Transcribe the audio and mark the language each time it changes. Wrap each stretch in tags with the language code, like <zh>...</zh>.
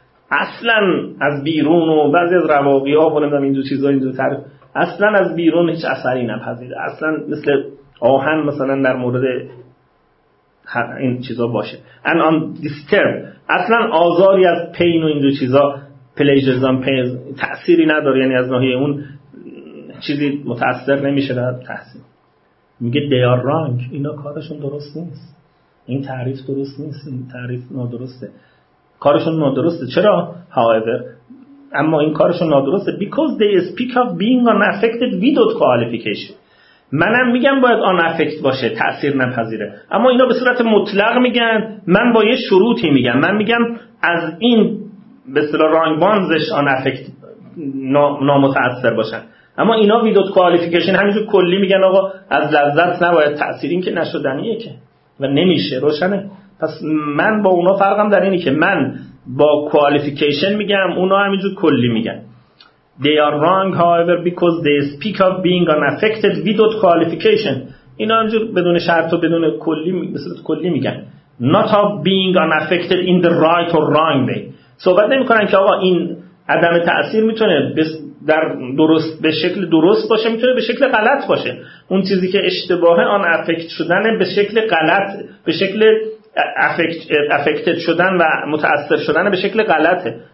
<fa>اصلا از بیرون و بعضی از رواقی ها بولندم اینجور چیزا اینجور تعریف، اصلا از بیرون هیچ اثری نپذیره، اصلا مثل آهن مثلا در مورد این چیزا باشه،</fa> <en>and on disturb،</en> <fa>اصلا آزاری از پین و این دو چیزا</fa> <en>pleasures on pain</en> <fa>تأثیری نداره، یعنی از ناحیه اون چیزی متأثر نمیشه در تحصیل. میگه</fa> <en>they are wrong،</en> <fa>اینا کارشون درست نیست، این تعریف درست نیست، این تعریف نادرسته، کارشون نادرسته. چرا؟</fa> <en>however،</en> <fa>اما این کارشون نادرسته</fa> <en>because they speak of being unaffected without qualification.</en> <fa>منم میگم باید unaffected باشه، تأثیر نپذیره، اما اینا به صورت مطلق میگن، من با یه شروطی میگم، من میگم از این به اصطلاح رانگ باندزش unaffected نامتأثر باشن، اما اینا</fa> <en>without qualification</en> <fa>همینجور کلی میگن آقا از لذت نباید تأثیر، این که نشدنیه که و نمیشه، روشنه؟ پس من با اونا فرقم در اینی که من با qualification میگم، اونا همینجور کلی میگن.</fa> <en>They are wrong however because they speak of being unaffected without qualification.</en> <fa>اینا همینجور بدون شرط و بدون کلی مثلت کلی میگن.</fa> <en>Not of being unaffected in the right or wrong way.</en> <fa>صحبت نمی کنن که آقا این عدم تأثیر میتونه در درست به شکل درست باشه، میتونه به شکل غلط باشه. اون چیزی که اشتباهه unaffected شدن به شکل غلط، به شکل افکتد شدن و متأثر شدن به شکل غلطه.</fa>